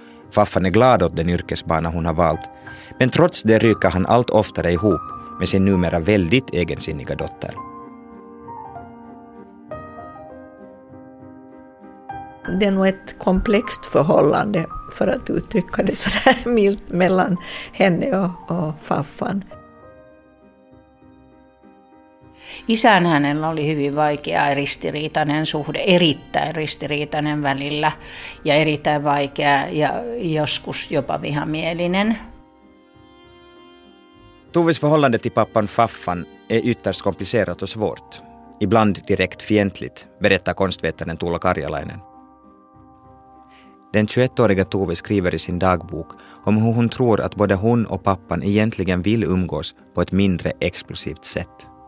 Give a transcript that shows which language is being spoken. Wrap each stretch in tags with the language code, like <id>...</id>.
<sv>Faffan är glad åt den yrkesbana hon har valt, men trots det rycker han allt oftare ihop med sin numera väldigt egensinniga dotter. Det är nog ett komplext förhållande, för att uttrycka det så där milt, mellan henne och faffan.</sv> <fi>Isän hänellä oli hyvin vaikea ja ristiriitainen suhde, erittäin ristiriitainen välillä ja erittäin vaikea ja joskus jopa vihamielinen.</fi> <sv>Toves förhållande till pappan Faffan är ytterst komplicerat och svårt. Ibland direkt fientligt, berättar konstvetaren Tuula Karjalainen. Den 21-åriga Tove skriver i sin dagbok om hur hon tror att både hon och pappan egentligen vill umgås på ett mindre explosivt sätt.</sv>